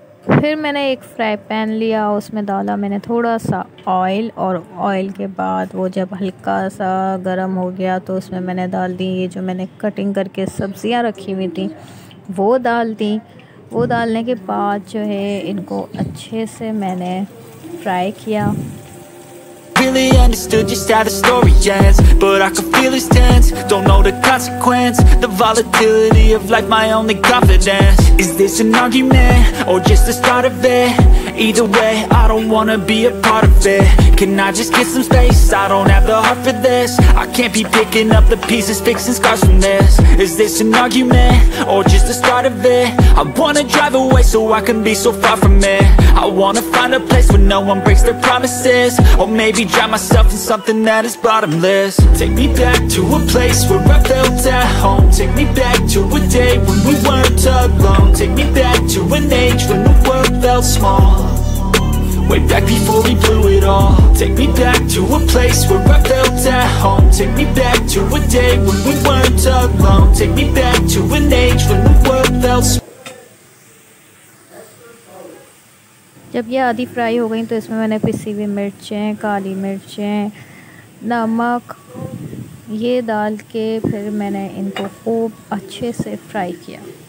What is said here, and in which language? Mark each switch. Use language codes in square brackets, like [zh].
[hi] फिर मैंने एक फ्राई पैन लिया, उसमें डाला मैंने थोड़ा सा ऑयल, और ऑयल के बाद वो जब हल्का सा गर्म हो गया तो उसमें मैंने डाल दी ये जो मैंने कटिंग करके सब्जियां रखी हुई थी वो डाल दी। वो डालने के बाद जो है इनको अच्छे से मैंने फ्राई किया। [en] Really understood just how the story ends, but I can feel it's tense. Don't know the consequence, the volatility of life, my only confidence. Is this an argument or just the start of it? Either way, I don't wanna be a part of it. Can I just get some space? I don't have the heart for this. I can't be picking up the pieces, fixing scars from this. Is this an argument or just the start of it? I wanna drive away so I can be so far from it. I wanna find a place where no one breaks their promises, or maybe drown myself in something that is bottomless. Take me back to a place where I felt at home. Take me back to a day when we weren't alone. Take me back to an age when the world felt small, way back before we blew it all. Take me back to a place where I felt at home. Take me back to a day when we weren't alone. Take me back to an age when the world felt small. [hi] जब ये आधी fry हो गई तो इसमें मैंने पिसी हुई मिर्चें, काली मिर्चें, नमक ये डाल के फिर मैंने इनको खूब अच्छे से फ्राई किया।